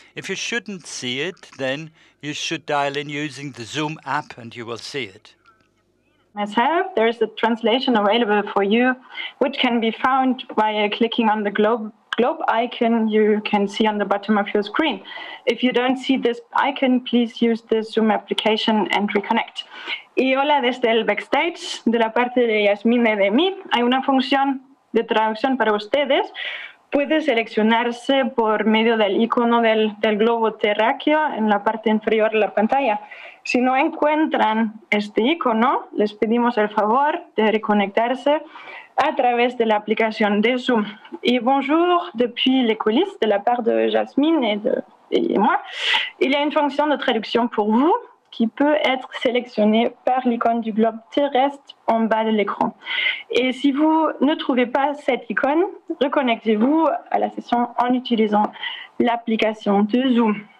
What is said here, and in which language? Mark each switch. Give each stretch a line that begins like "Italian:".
English: If you shouldn't see it, then you should dial in using the Zoom app and you will see it. Myself, there is a translation available for you, which can be found by clicking on the globe icon you can see on the bottom of your screen. If you don't see this icon, please use the Zoom application and reconnect.
Spanish: Y hola desde el backstage, de la parte de Yasmine de mí. Hay una función de traducción para ustedes. Puede seleccionarse por medio del icono del globo terráqueo en la parte inferior de la pantalla. Si no encuentran este icono, les pedimos el favor de reconectarse a través de la aplicación de Zoom.
French: Y bonjour depuis les coulisses de la part de Jasmine et moi. Il y a une fonction de traduction pour vous qui peut être sélectionnée par l'icône du globe terrestre en bas de l'écran. Et si vous ne trouvez pas cette icône, reconnectez-vous à la session en utilisant l'application de Zoom.